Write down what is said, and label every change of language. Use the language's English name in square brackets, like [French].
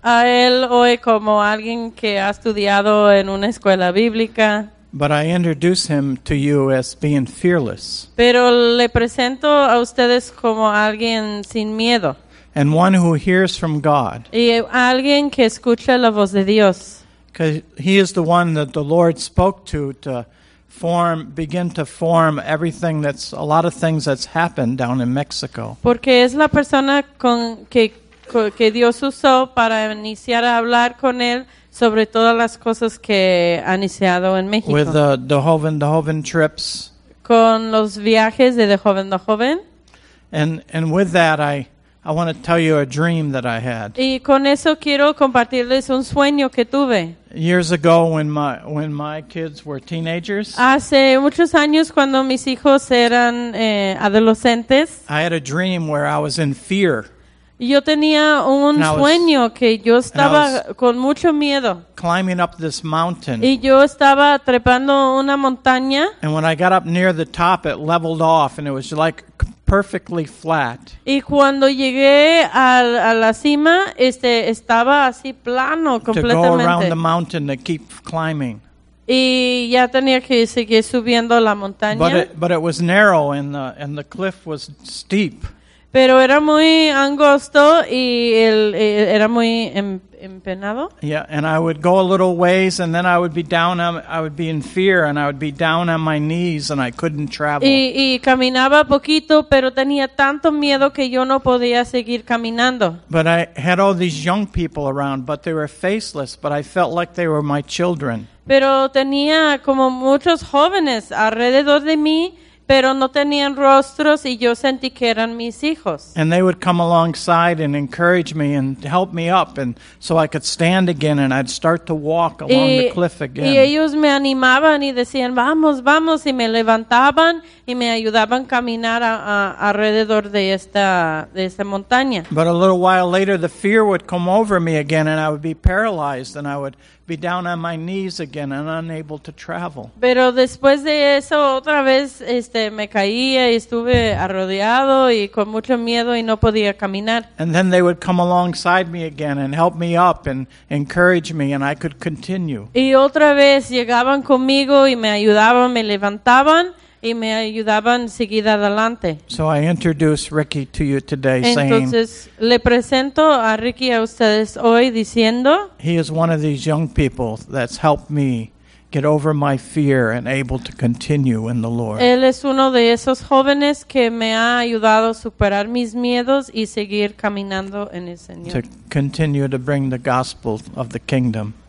[Spanish] A él hoy como alguien que ha estudiado en una escuela bíblica. [English] But I introduce him to you as being fearless. [Spanish] Pero le presento a ustedes como alguien sin miedo. [English] And one who hears from God. [Spanish] Y alguien que escucha la voz de Dios. [English] Because he is the one that the Lord spoke to form, begin to form everything that's, a lot of things that's happened down in Mexico. [Spanish] Porque es la persona con que Dios usó para iniciar a hablar con él sobre todas las cosas que ha iniciado en México. [English] With the Dehoven trips. [Spanish] Con los viajes de Dehoven. [English] And with that, I want to tell you a dream that I had. [Spanish] Y con eso quiero compartirles un sueño que tuve. [English] Years ago when my kids were teenagers. [Spanish] Hace muchos años cuando mis hijos eran adolescentes. [English] I had a dream where I was in fear. [Spanish] Yo tenía un sueño que yo estaba con mucho miedo. [English] Climbing up this mountain. [Spanish] Y yo estaba trepando una montaña. [English] And when I got up near the top, it leveled off and it was like perfectly flat. [Spanish] Y cuando llegué a la cima, estaba así plano completamente. [English] To go around the mountain to keep climbing. [Spanish] Y ya tenía que seguir subiendo la montaña. [English] But it was narrow and the cliff was steep. [Spanish] Pero era muy angosto y el era muy empinado. [English] Yeah, and I would go a little ways and then I would be down, I would be in fear and I would be down on my knees and I couldn't travel. [Spanish] Y caminaba poquito, pero tenía tanto miedo que yo no podía seguir caminando. [English] But I had all these young people around, but they were faceless, but I felt like they were my children. [Spanish] Pero tenía como muchos jóvenes alrededor de mí, pero no tenían rostros y yo sentí que eran mis hijos. [English] And they would come alongside and encourage me and help me up and so I could stand again and I'd start to walk along the cliff again. [Spanish] Y ellos me animaban y decían, vamos, vamos, y me levantaban y me ayudaban a caminar alrededor de esta montaña. [English] But a little while later, the fear would come over me again and I would be paralyzed and I would be down on my knees again and unable to travel. [Spanish] Pero después de eso otra vez me caía y estuve arrodillado y con mucho miedo y no podía caminar. [English] And then they would come alongside me again and help me up and encourage me and I could continue. [Spanish] Y otra vez llegaban conmigo y me ayudaban, me levantaban y me ayudaban a seguir adelante. [English] So I introduce Ricky to you today. [Spanish] Entonces, [English] saying. [Spanish] Entonces le presento a Ricky a ustedes hoy diciendo. [English] He is one of these young people that's helped me get over my fear and able to continue in the Lord. [Spanish] Él es uno de esos jóvenes que me ha ayudado a superar mis miedos y seguir caminando en el Señor. [English] To continue to bring the gospel of the kingdom.